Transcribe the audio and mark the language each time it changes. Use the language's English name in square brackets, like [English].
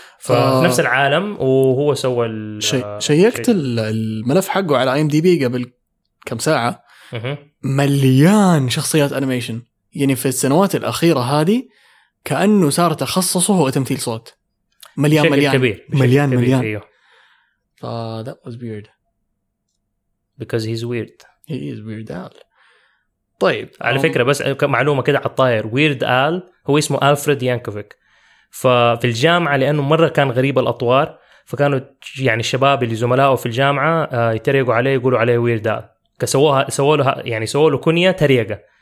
[Arabic] نفس العالم وهو سوى شيكت الملف حقه على IMDb قبل كم ساعة مليان شخصيات أنيميشن يعني في السنوات الأخيرة هذه كأنه صار تخصصه هو تمثيل صوت مليان مليان كبير. مليان كبير مليان ف [English] that was weird because he's weird he is weird Al. [Arabic] طيب على فكرة بس معلومة كده على الطاير weird Al هو اسمه ألفريد يانكوفيك ففي الجامعة لأنه مرة كان غريب الأطوار فكانوا يعني الشباب اللي زملائه في الجامعة يتريقوا عليه يقولوا عليه weird Al كسووها سووله يعني سووله كنية تريقة